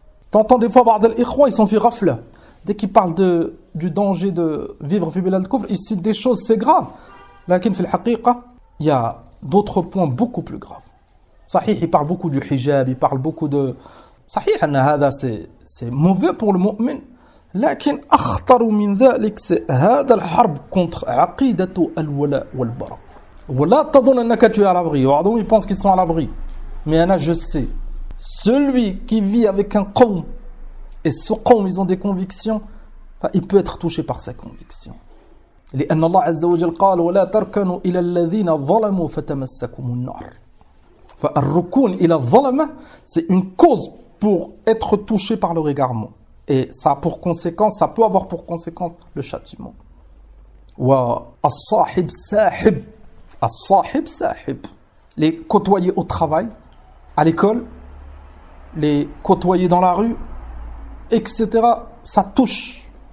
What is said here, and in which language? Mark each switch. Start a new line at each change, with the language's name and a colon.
French: T'entends des fois,
Arabic: ba'd al-ikhwan,
French: ils sont fils rafle. Dès qu'ils parlent du danger de vivre
Arabic: fi bilad kufr,
French: ils citent des choses, c'est grave.
Arabic: Lakin, fil haqiqa,
French: il y a d'autres points beaucoup plus graves. Sahih, ils parlent beaucoup du hijab, ils parlent beaucoup de.
Arabic: Sahih, anna hada,
French: c'est mauvais pour le mu'min.
Arabic: لكن اخطر من ذلك هذا الحرب
French: contre
Arabic: عقيده الولاء والبراء ولا تظن انك
French: tu es à l'abri. Ou ils pensent qu'ils sont à l'abri, mais ana je sais, celui qui vit avec un qawm et ce qawm ils ont des convictions, il peut être touché par sa conviction.
Arabic: لان الله عز وجل قال ولا تركنوا الى الذين ظلموا فتمسكم النار. فالركون الى الظلمه,
French: c'est une cause pour être touché par leur égarement. Et ça a pour conséquence, ça peut avoir pour conséquence le châtiment.
Arabic: Wa as-sahib sahib. As-sahib sahib.
French: Les côtoyer au travail, à l'école, les côtoyer dans la rue, etc. Ça touche.